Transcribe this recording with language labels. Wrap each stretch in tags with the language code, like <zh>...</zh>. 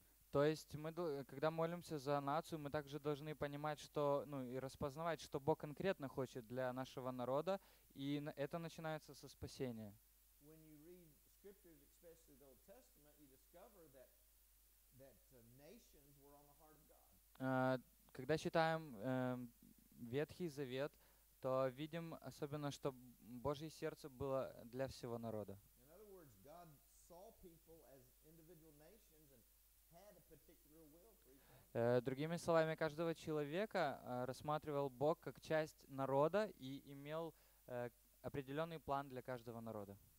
<ru>То есть мы, когда молимся за нацию, мы также должны понимать, что, ну, и распознавать, что Бог конкретно хочет для нашего народа, и это начинается со спасения.</ru> <en>When you read scriptures, especially the Old Testament, you discover that nations were on the heart of God.</en> <ru>Когда читаем Ветхий Завет, то видим особенно, что Божье сердце было для всего народа.</ru> <en>In other words, God saw people as individual nations and had a particular will for each.</en> <ru>Другими словами, каждого человека рассматривал Бог как часть народа и имел определенный план для каждого народа.</ru>